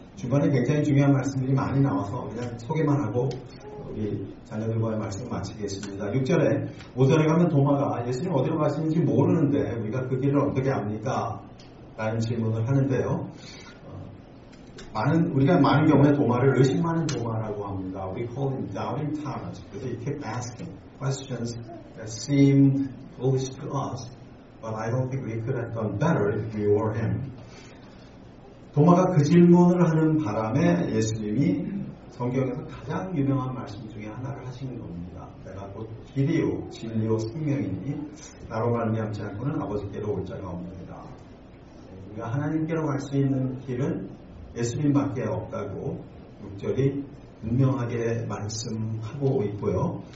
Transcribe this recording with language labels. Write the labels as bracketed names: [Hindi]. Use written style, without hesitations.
[Korean] 중간에 굉장히 중요한 말씀들이 많이 나와서 그냥 소개만 하고 우리 자녀들과의 말씀을 마치겠습니다. 6절에 오전에 가면 도마가 예수님 어디로 가시는지 모르는데 우리가 그 길을 어떻게 압니까? 라는 질문을 하는데요. 우리가 많은 경우에 도마를 의심하는 도마라고 합니다. [English] We call him doubting Thomas. 그래서 he kept asking questions that seemed foolish to us, but I don't think we could have done better if we were him. [Korean] 도마가 그 질문을 하는 바람에 예수님이 성경에서 가장 유명한 말씀 중에 하나를 하시는 겁니다. 내가 곧 길이요 진리요 생명이니 나로 말미암지 않고는 아버지께로 올 자가 없느니라. 우리가 하나님께로 갈 수 있는 길은 예수님밖에 없다고 6절이 분명하게 말씀하고 있고요.